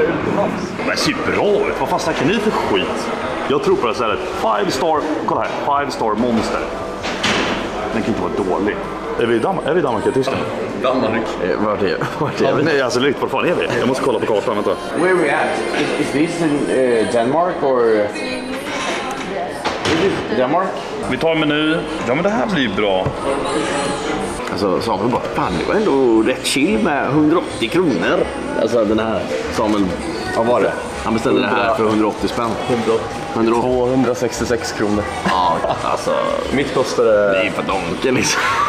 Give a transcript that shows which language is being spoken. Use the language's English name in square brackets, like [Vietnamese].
[Swedish] ut. Det ser bra ut, vad fan snackar ni för skit? Jag tror på det här, 5 star, kolla här, 5 star monster. Den kan inte vara dålig. Är vi i Danmark? Danmark eller Tyskland? Danmark. Var det? Var det? Nej, alltså lyft på fan är vi. Jag måste kolla på kartan, vänta. [English] Where we at? Is this in Denmark or is this Denmark? [Swedish] Vi tar en meny. Ja men det här blir bra. Alltså Samuel bara fan, det var ändå rätt chill med 180 kronor. Alltså den här Samuel, vad var det? Han beställde 100, det här för 180 spänn. 266 kronor. Ja, alltså... Mitt kostade... Nej, för donken liksom.